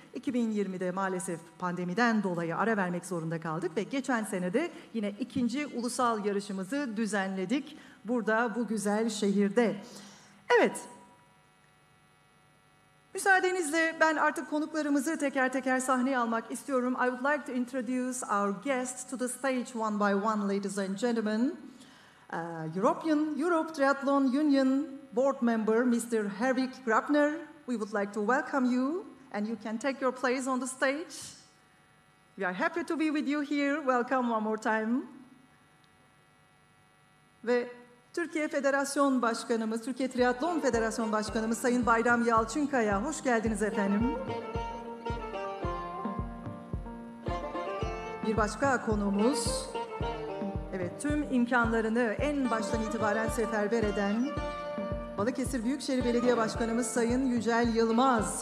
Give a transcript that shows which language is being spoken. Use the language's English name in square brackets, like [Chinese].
[Turkish] 2020'de maalesef pandemiden dolayı ara vermek zorunda kaldık ve geçen sene de yine ikinci ulusal yarışımızı düzenledik burada bu güzel şehirde. Evet, müsaadenizle ben artık konuklarımızı teker teker sahneye almak istiyorum. [English] I would like to introduce our guests to the stage one by one, ladies and gentlemen. Europe Triathlon Union board member, Mr. Herwig Grabner. We would like to welcome you and you can take your place on the stage. We are happy to be with you here. Welcome one more time. [Turkish] Ve Türkiye Federasyon Başkanımız, Türkiye Triatlon Federasyon Başkanımız Sayın Bayram Yalçınkaya. Hoş geldiniz efendim. Bir başka konuğumuz, evet, tüm imkanlarını en baştan itibaren seferber eden Balıkesir Büyükşehir Belediye Başkanımız Sayın Yücel Yılmaz.